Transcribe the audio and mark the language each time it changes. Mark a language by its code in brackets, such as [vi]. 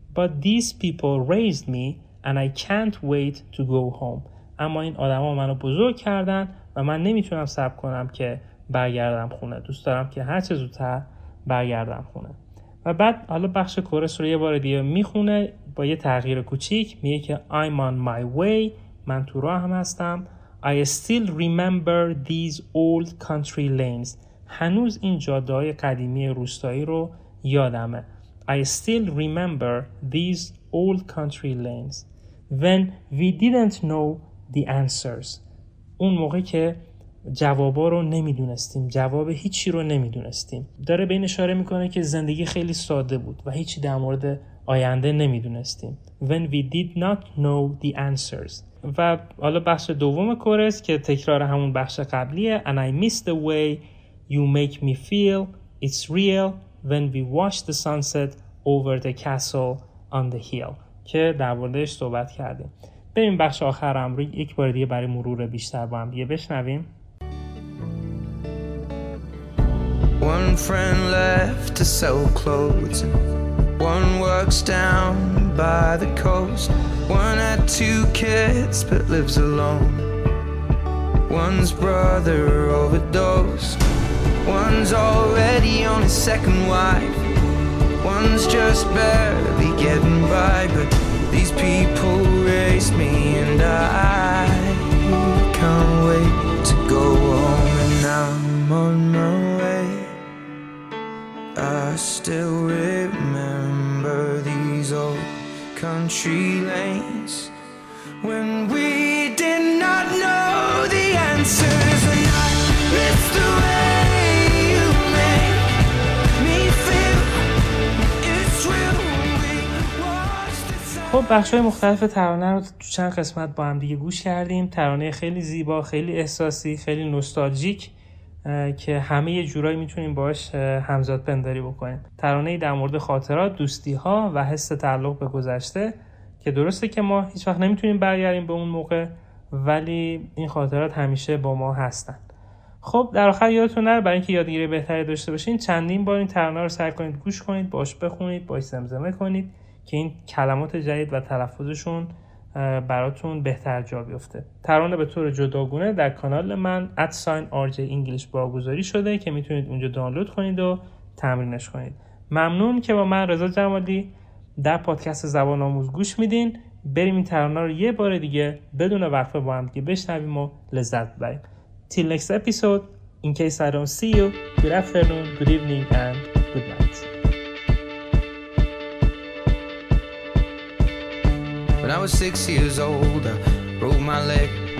[en] But these people raised me and I can't wait to go home. [fa] اما این آدما منو بزرگ کردن و من نمیتونم صبر کنم که برگردم خونه. دوست دارم که هر چه زودتر برگردم خونه. و بعد حالا بخش کورس رو یه بار دیگه میخونه با یه تغییر کوچیک، میگه که [en] I'm on my way، [fa] من تو راه هم هستم. [en] I still remember these old country lanes، [fa] هنوز این جاده های قدیمی روستایی رو یادمه. [en] I still remember these old country lanes when we didn't know the answers، [fa] اون موقع که جوابا رو نمیدونستیم، [en] جواب هیچی رو نمیدونستیم. [fa] داره به این اشاره میکنه که زندگی خیلی ساده بود و هیچی در مورد آینده نمیدونستیم. [en] When we did not know the answers. [fa] و حالا بخش دوم کورس که تکرار همون بخش قبلیه. [en] And I miss the way you make me feel. It's real when we watch the sunset over the castle on the hill. [fa] که در موردش صحبت کردیم. بریم بخش آخرم رو یک بار دیگه برای مرور بیشتر با هم دیگه بشنویم. One friend left to sell clothes, one works down by the coast, one had two kids but lives alone, one's brother overdosed, one's already on his second wife, one's just barely getting by, but these people race me and I can't wait to go home and I'm on my own. I still remember these old country lanes when we did not know the answers and I miss the way you make me feel. It's real when we watch the sun. خب مختلف ترانه رو تو چند قسمت با هم دیگه گوش کردیم. ترانه خیلی زیبا، خیلی احساسی، خیلی نوستالژیک که همه یه جورایی میتونیم باش همزاد پنداری بکنیم. ترانه در مورد خاطرات، دوستی ها و حس تعلق به گذشته، که درسته که ما هیچ وقت نمیتونیم برگردیم به اون موقع، ولی این خاطرات همیشه با ما هستن. خب در آخر یادتون نره برای اینکه یادگیری بهتری داشته باشین، چندین بار این ترانه رو سعی کنید گوش کنید، باش بخونید، باش زمزمه کنید که این کلمات جدید و تلفظشون براتون بهتر جا بیفته. ترانه به طور جداگونه در کانال من @RJEnglish بارگذاری شده که میتونید اونجا دانلود کنید و تمرینش کنید. ممنون که با من رضا جمالی در پادکست زبان آموز گوش میدین. بریم این ترانه رو یه بار دیگه بدون وقفه با هم دیگه بشنویم و لذت ببریم. [en] Till next episode, in case I don't see you, good afternoon, good evening and good night. When I was 6 years old, I broke my leg.